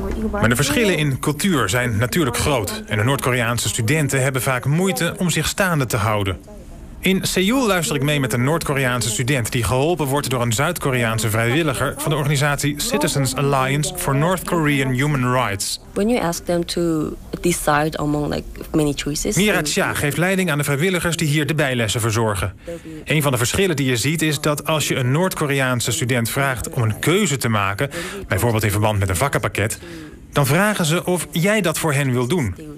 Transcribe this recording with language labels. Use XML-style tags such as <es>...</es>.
<nl>Maar de verschillen in cultuur zijn natuurlijk groot. En de Noord-Koreaanse studenten hebben vaak moeite om zich staande te houden. In Seoul luister ik mee met een Noord-Koreaanse student die geholpen wordt door een Zuid-Koreaanse vrijwilliger van de organisatie Citizens Alliance for North Korean Human Rights.</nl> <en>When you ask them to decide among like many choices.</en> <nl>Mira Chia geeft leiding aan de vrijwilligers die hier de bijlessen verzorgen. Een van de verschillen die je ziet is dat als je een Noord-Koreaanse student vraagt om een keuze te maken, bijvoorbeeld in verband met een vakkenpakket, dan vragen ze of jij dat voor hen wil doen.</nl>